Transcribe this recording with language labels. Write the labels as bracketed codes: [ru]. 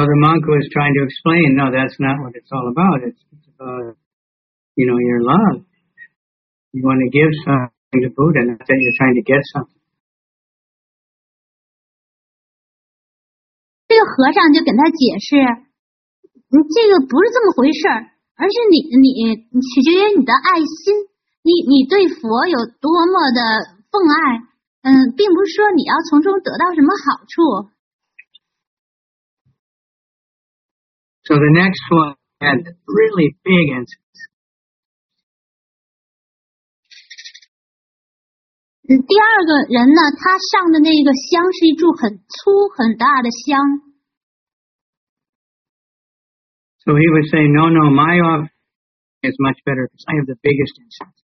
[en] the monk was trying to explain, no, that's not what it's all about. It's about, you know, your love. You want to give something to Buddha, not that you're trying to get something. [zh] 这个和尚就跟他解释，这个不是这么回事，而是你取决于你的爱心，你对佛有多么的奉爱，并不是说你要从中得到什么好处。 [en] So the next one had really big answers. [zh] 第二个人呢，他上的那个香是一柱很粗很大的香。 [en] So he was saying, no, no, my offering is much better because I have the biggest incense.